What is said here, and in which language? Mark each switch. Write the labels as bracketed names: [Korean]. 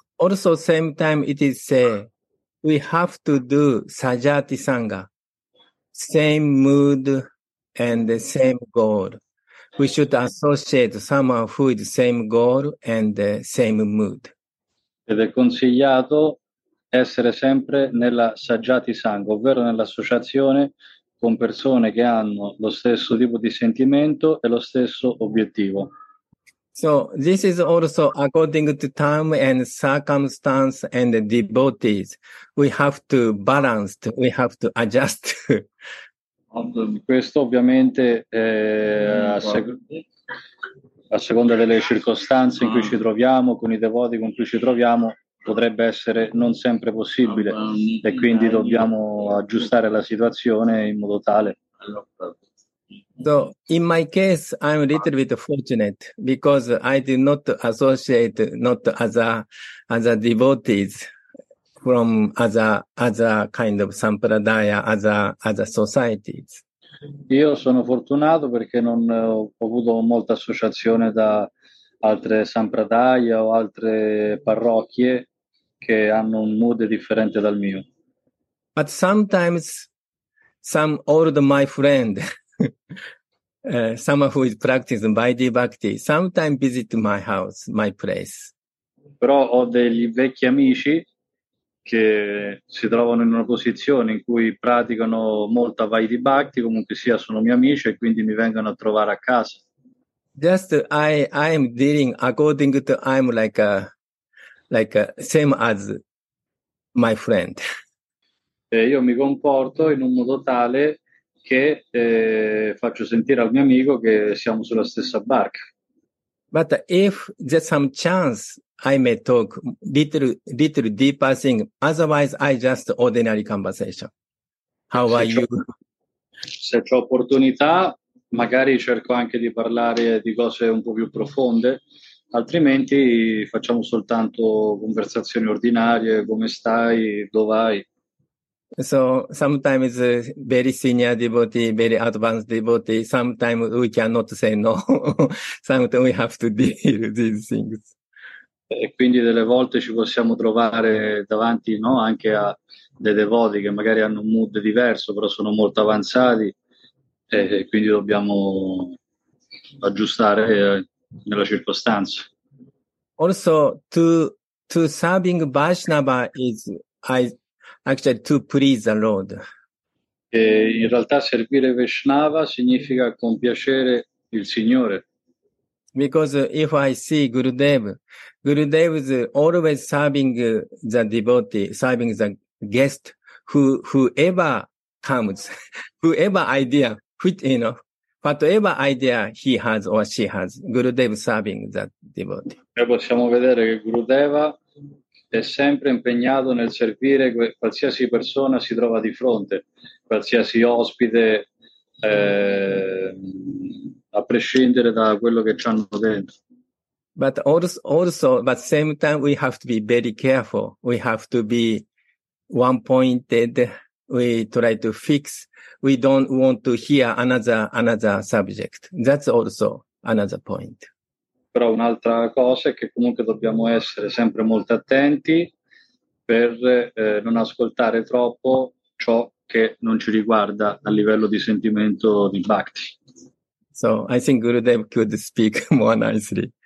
[English] also same time it is say we have to do sajati sangha, same mood and the same goal. We should associate someone who is the same goal and the same mood. [Italian] Ed è consigliato essere sempre nella sajati sangha, ovvero nell'associazione con persone che hanno lo stesso tipo di sentimento e lo stesso obiettivo. [English] So this is also according to time and circumstance and the devotees. We have to balance, we have to adjust. [Italian] Questo ovviamente a seconda delle circostanze in cui ci troviamo, con i devoti con cui ci troviamo, potrebbe essere non sempre possibile e quindi dobbiamo aggiustare la situazione in modo tale. [English] So in my case I'm a little bit fortunate because I did not associate not as a devotees from as a kind of sampradaya as a societies. [Italian] Io sono fortunato perché non ho avuto molta associazione da altre sampradaya o altre parrocchie che hanno un mood differente dal mio. [English] But sometimes some old my friend someone who is practicing Vaidhi Bhakti sometimes visit my house, my place. [Italian] Però ho degli vecchi amici che si trovano in una posizione in cui praticano molto Vaidhi Bhakti, comunque sia sono miei amici e quindi mi vengono a trovare a casa. [English] Just I am dealing according to I'm like a same as my friend. [Italian] E io mi comporto in un modo tale che faccio sentire al mio amico che siamo sulla stessa barca. [English] But if there's some chance I may talk little deeper thing, otherwise I just ordinary conversation. How are you? [Italian] Se c'ho opportunità, magari cerco anche di parlare di cose un po' più profonde, altrimenti facciamo soltanto conversazioni ordinarie, come stai, dove vai. [English] So sometimes very senior devotee, very advanced devotee, sometimes we cannot say no. Sometimes we have to deal with these things. [Italian] E quindi delle volte ci possiamo trovare davanti, no, anche a dei devoti che magari hanno un mood diverso, però sono molto avanzati e quindi dobbiamo aggiustare nella circostanza. [English] Also to serving Vaishnava is actually to please the Lord. [Italian] E in realtà servire Vaishnava significa compiacere il Signore. [English] Because if I see Gurudev is always serving the devotee, serving the guest whoever comes, whoever idea, which, you know, whatever idea he has or she has, Gurudev serving that devotee. [Italian] E possiamo vedere che Gurudeva è sempre impegnato nel servire qualsiasi persona si trova di fronte, qualsiasi ospite, a prescindere da quello che c'hanno dentro. [English] But also, but same time, we have to be very careful. We have to be one-pointed. We try to fix. We don't want to hear another subject. That's also another point. [Italian] Però un'altra cosa è che comunque dobbiamo essere sempre molto attenti per non ascoltare troppo ciò che non ci riguarda a livello di sentimento di Bhakti. [English] So I think Gurudev could speak more nicely.